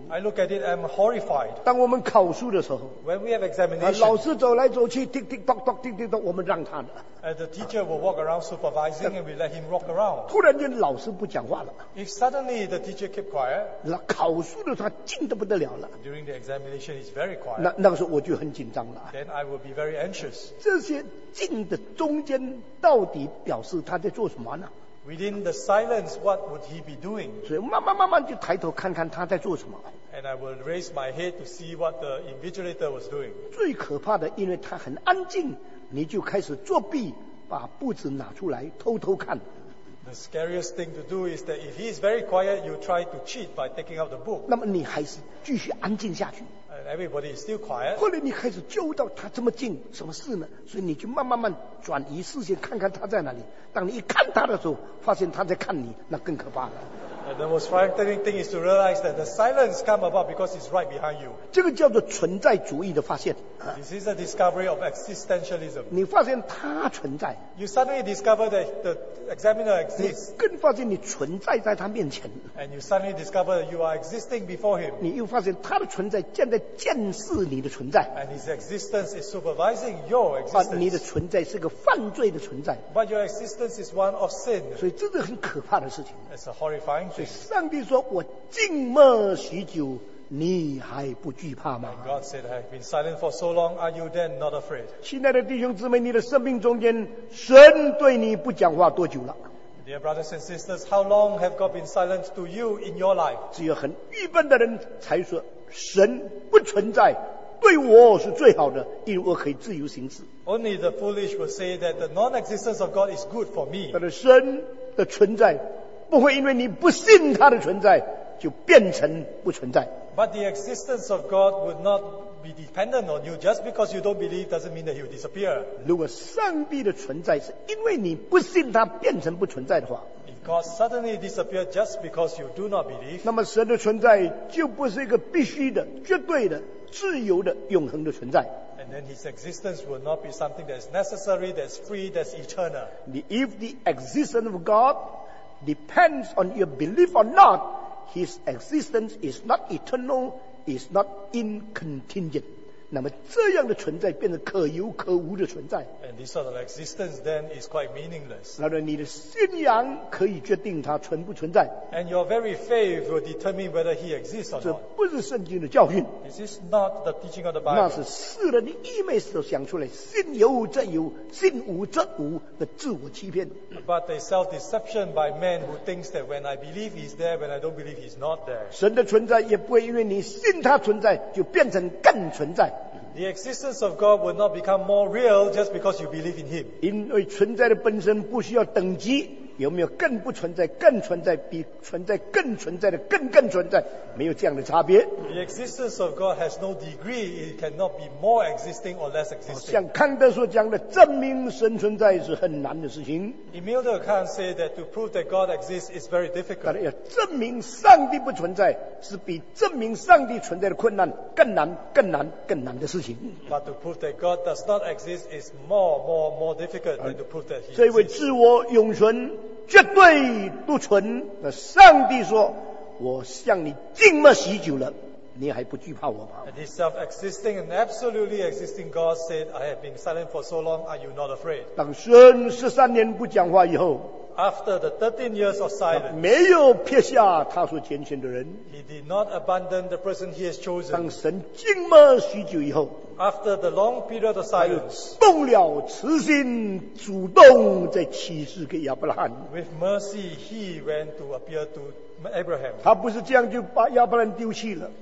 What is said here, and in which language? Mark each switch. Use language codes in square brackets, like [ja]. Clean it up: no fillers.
[en] I look at it, I'm horrified. [zh] 当我们考书的时候 [en] ，When we have examination, [zh] 老师走来走去 ，tick tick tock tock tick tick tock， 我们让他的。 [en] And the teacher will walk around supervising, and we let him walk around. [zh] 突然间老师不讲话了。 [en] If suddenly the teacher keep quiet, [zh] 考书的他静得不得了了。 [en] During the examination, he's very quiet. [zh] 那个时候我就很紧张了。 [en] Then I will be very anxious. [zh] 这些静的中间到底表示他在做什么呢？ [en] Within the silence, what would he be doing? [zh] 所以慢慢慢慢就抬头看看他在做什么。 [en] And I will raise my head to see what the invigilator was doing. [zh] 最可怕的，因为他很安静，你就开始作弊，把簿子拿出来偷偷看。 [en] The scariest thing to do is that if he is very quiet, you try to cheat by taking out the book. [zh] 那么你还是继续安静下去。 [en] And everybody is still quiet. [zh] 后来你开始揪到他这么近，什么事呢？所以你就慢慢慢转移视线，看看他在哪里。当你一看他的时候，发现他在看你，那更可怕了。 [en] And the most frightening thing is to realize that the silence come about because it's right behind you. [zh] 这个叫做存在主义的发现。 [en] This is a discovery of existentialism. [zh] 你发现他存在。 [en] You suddenly discover that the examiner exists. [zh] 你更发现你存在在他面前。 [en] And you suddenly discover that you are existing before him. [zh] 你又发现他的存在正在监视你的存在。 [en] And his existence is supervising your existence. [zh] 你的存在是个犯罪的存在。 [en] But your existence is one of sin. [zh] 所以这是很可怕的事情。 [en] It's a horrifying thing. [zh] 所以上帝说，我静默许久，你还不惧怕吗？ [en] And God said, I've been silent for so long. Are you then not afraid? [zh] 亲爱的弟兄姊妹，你的生命中间，神对你不讲话多久了？ [en] Dear brothers and sisters, how long have God been silent to you in your life? [zh] 只有很愚笨的人才说，神不存在，对我是最好的，因为我可以自由行事。 [en] Only the foolish will say that the non-existence of God is good for me. [zh] 但是神的存在不会因为你不信他的存在就变成不存在。 [en] But the existence of God would not be dependent on you just because you don't believe doesn't mean that he will disappear. [zh] 如果上帝的存在是因为你不信他变成不存在的话。 [en] If God suddenly disappeared just because you do not believe. [zh] 那么神的存在就不是一个必须的、绝对的、自由的、永恒的存在。 [en] And then his existence will not be something that is necessary, that is free, that is eternal. If the existence of God depends on your belief or not, his existence is not eternal, is not incontingent. [zh] 那么这样的存在变得可有可无的存在。 [en] And this sort of existence then is quite meaningless. [zh] 那么你的信仰可以决定它存不存在。 [en] And your very faith will determine whether he exists or not. [zh] 这不是圣经的教训。 [en] This is not the teaching of the Bible. [zh] 那是世人的愚昧所想出来，信有则有，信无则无的自我欺骗。 [en] But a self-deception by man who thinks that when I believe he's there, when I don't believe he's not there. [zh] 神的存在也不会因为你信他存在就变成更存在。 [en] The existence of God will not become more real just because you believe in Him. [zh] 因为存在的本身不需要等级，有没有更不存在、更存在、比存在更存在的更更存在，没有这样的差别。 [en] The existence of God has no degree; it cannot be more existing or less existing. [zh] 像康德所讲的，证明神存在是很难的事情。 [en] Immanuel Kant said that to prove that God exists is very difficult. [zh] 但要证明上帝不存在，是比证明上帝存在的困难更难、更难、更难的事情。 [en] But to prove that God does not exist is more, more, more difficult than to prove that He exists. [zh] 这位自我永存。绝对不存的上帝说，我向你静默许久了，你还不惧怕我吗？ [en] And this self-existing and absolutely existing God said, I have been silent for so long, are you not afraid? [zh] 当神十三年不讲话以后， [en] After the 13 years of silence, [zh] 没有撇下他所拣选的人， [en] He did not abandon the person he has chosen. [zh] 当神静默许久以后， [en] After the long period of silence, [zh] 动了慈心，主动在启示给亚伯拉罕。 [en] With mercy, he went to appear to Abraham. [zh] 他不是这样就把亚伯拉罕丢弃了。